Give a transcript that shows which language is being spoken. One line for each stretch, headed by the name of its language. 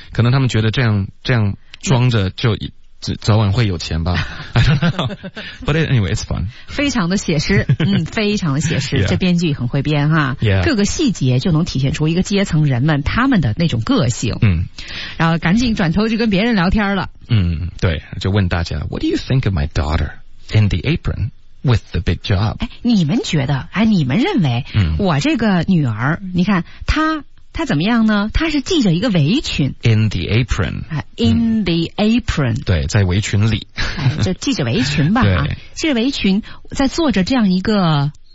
Chinese: 可能他们觉得这样装着就早晚会有钱吧。
English: I don't know. But anyway, it's fun.
Chinese: 非常的写实，非常的写实。
English: Yeah.
Chinese: 这编剧很会编哈。
English: Yeah.
Chinese: 各个细节就能体现出一个阶层人们他们的那种个性。然后赶紧转头就跟别人聊天了。对，就问大家
English: ,What do you think of my daughter in the apron with the big job?
Chinese: 你们认为我这个女儿你看她怎么样呢？她是系着一个围裙。
English: In the apron. In the apron.
Chinese: 对，在围裙里。就系着围裙吧。对。系着围裙在做着这样一个。